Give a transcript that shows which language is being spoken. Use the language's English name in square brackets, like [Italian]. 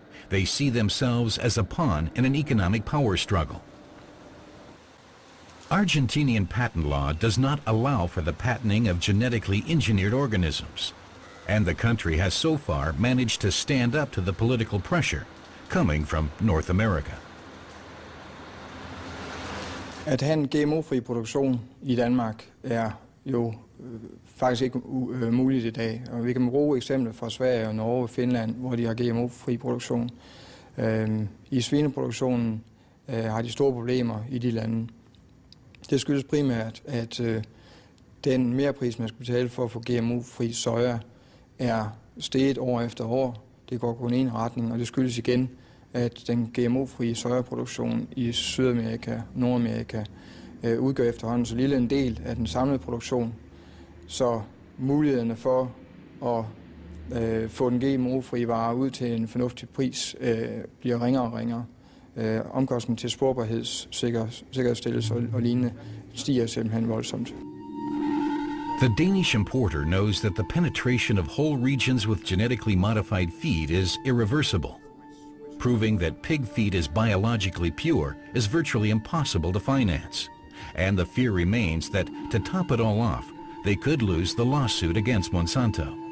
[English] They see themselves as a pawn in an economic power struggle. Argentinian patent law does not allow for the patenting of genetically engineered organisms, and the country has so far managed to stand up to the political pressure coming from North America. [Danish] At have en GMO-fri produktion i Danmark er jo faktisk ikke muligt i dag. Og vi kan bruge eksempler fra Sverige og Norge og Finland, hvor de har GMO-fri produktion. I svineproduktionen har de store problemer i de lande. Det skyldes primært, at den merpris, man skal betale for at få GMO-fri soja, er steget år efter år. Det går kun i en retning, og det skyldes igen, at den GMO-frie sojaproduktion i Sydamerika, Nordamerika, udgør efterhånden så lille en del af den samlede produktion. Så mulighederne for at få den GMO-frie vare ud til en fornuftig pris bliver ringere og ringere. Omkostningen til sporbarhedssikkerhedsstillelse og lignende stiger simpelthen voldsomt. [English] The Danish importer knows that the penetration of whole regions with genetically modified feed is irreversible, proving that pig feed is biologically pure is virtually impossible to finance. And the fear remains that, to top it all off, they could lose the lawsuit against Monsanto.